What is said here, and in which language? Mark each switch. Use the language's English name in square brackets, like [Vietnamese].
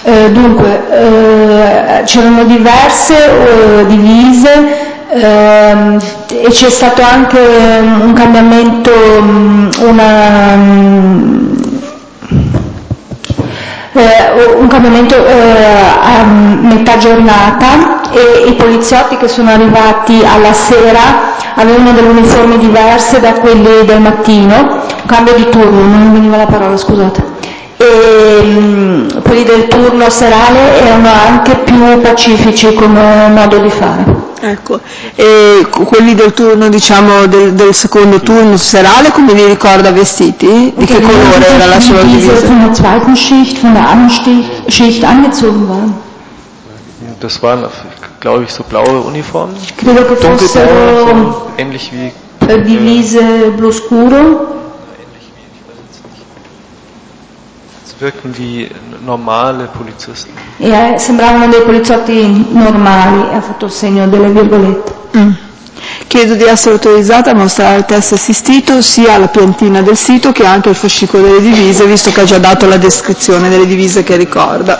[Italian] Dunque, c'erano diverse divise e c'è stato anche un cambiamento, a metà giornata, e i poliziotti che sono arrivati alla sera avevano delle uniformi diverse da quelle del mattino, cambio di turno, non mi veniva la parola, scusate, e quelli del turno serale erano anche più pacifici come modo di fare. Ecco, e quelli del turno, diciamo, del secondo turno serale, come vi ricorda, vestiti? Di che colore era la sua divisa? [German] Von der zweiten Schicht, von der anderen Schicht angezogen waren. Das waren, glaube ich, so blaue Uniformen. [Italian] Credo che fossero, [German] ähnlich wie [Italian] divise blu scuro. [German] Wirkten wie normale Polizisten. [Italian] Ja, sembravano dei poliziotti normali. Ha fatto il segno delle virgolette. Chiedo di essere autorizzata a mostrare il test assistito sia alla piantina del sito che anche al fascicolo delle divise, visto che ha già dato la descrizione delle divise che ricorda.